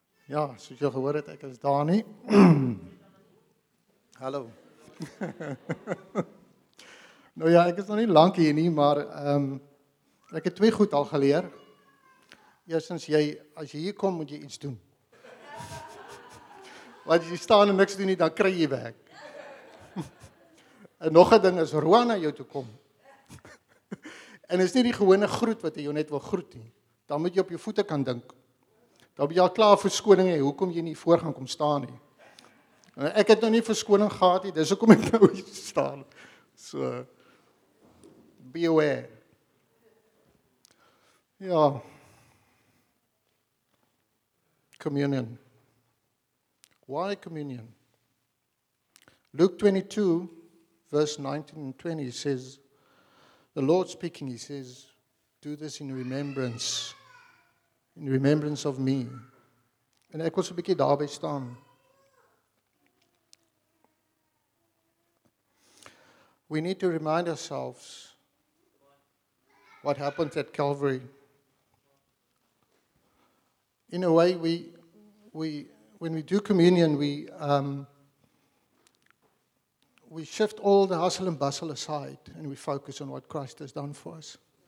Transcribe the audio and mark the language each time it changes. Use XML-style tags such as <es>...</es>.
<af>Ja, soos jy gehoor het, ek is Danie. Hallo. Nou ja, ek is nog nie lank hier nie, maar ek het twee goed al geleer. Eerstens, as jy hier kom, moet jy iets doen. Want as jy staan en niks doen nie, dan kry jy werk. En nog een ding is, roe na jou toe kom. En is nie die gewone groet wat jy jou net wil groet nie. Dan moet jy op jou voete kan dink. Dan ben jy al klaar verskoning, hoekom jy nie voor gaan kom staan nie. Ek het nou nie verskoning gehad, dis hoekom ek nou hier staan.</af> <en>So, be aware. Ja, communion. Why communion? Luke 22, verse 19 and 20 says, the Lord speaking, he says, do this in remembrance. In remembrance of me.</en> <af>En ek wil so 'n bietjie daarby staan.</af> <en>We need to remind ourselves what happened at Calvary. In a way, when we do communion, we shift all the hustle and bustle aside and we focus on what Christ has done for us.</en>